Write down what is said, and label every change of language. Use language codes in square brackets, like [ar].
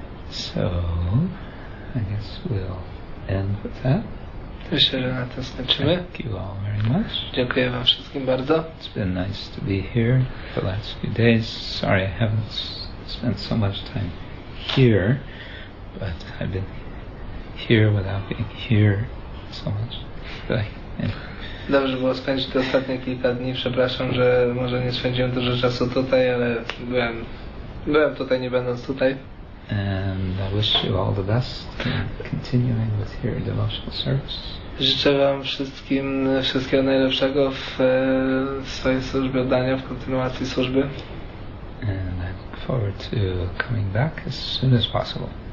[en] So, I guess we'll end with that. [pl] Myślę, że na tym skończymy. [en] Thank you all very much. [pl] Dziękuję wam wszystkim bardzo. [en] It's been nice to be here the last few days. Sorry, I haven't spent so much time here, but I've been here without being here so much. [pl] Dobrze było spędzić te ostatnie kilka dni. Przepraszam, że może nie spędziłem dużo czasu tutaj, ale byłem tutaj, nie będąc tutaj. [en] And I wish you all the best in continuing with your devotional service. [pl] Życzę wam wszystkim wszystkiego najlepszego w swojej służbie oddania, w kontynuacji służby. [en] And I look forward to coming back as soon as possible.